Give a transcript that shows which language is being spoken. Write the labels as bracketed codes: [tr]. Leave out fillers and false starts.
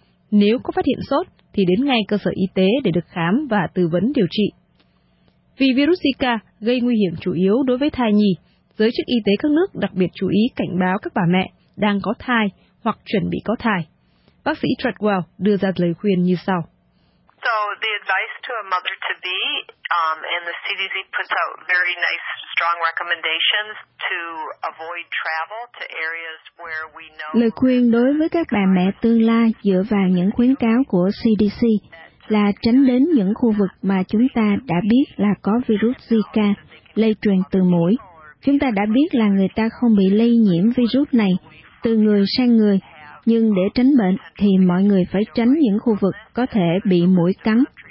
[vi] Nếu có phát hiện sốt thì đến ngay cơ sở y tế để được khám và tư vấn điều trị. Vì virus Zika gây nguy hiểm chủ yếu đối với thai nhi, giới chức y tế các nước đặc biệt chú ý cảnh báo các bà mẹ đang có thai hoặc chuẩn bị có thai. Bác sĩ Treadwell đưa ra lời khuyên như sau. [en] So the advice to a mother to be and the CDC puts out very nice strong recommendations to avoid travel to areas where we know. [vi] Lời khuyên đối với các bà mẹ tương lai dựa vào những khuyến cáo của CDC là tránh đến những khu vực mà chúng ta đã biết là có virus Zika lây truyền từ muỗi. Chúng ta đã biết là người ta không bị lây nhiễm virus này từ người sang người, nhưng để tránh bệnh thì mọi người phải tránh những khu vực có thể bị muỗi cắn.